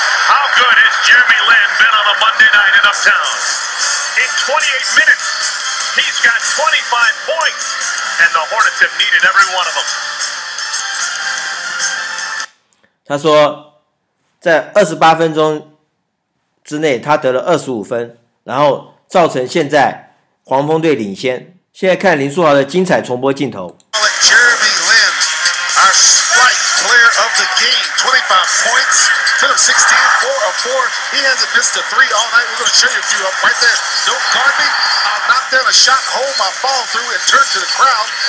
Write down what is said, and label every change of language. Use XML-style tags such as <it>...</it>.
<en>How good has Jeremy Lin been on a Monday night in uptown? In 28 minutes, he's got 25 points, and the Hornets have needed every one of them.</en> <zh>他说，在28分钟之内，他得了25分，然后造成现在黄蜂队领先。现在看林书豪的精彩重播镜头。</zh> <en>Jeremy Lin, our strike player of the game, 25 points, 10 of 16, 4 of 4. He hasn't missed a three all night. We're going to show you a few up right there. Don't guard me. I'll knock down a shot home. I'll fall through and turn to the crowd.</en>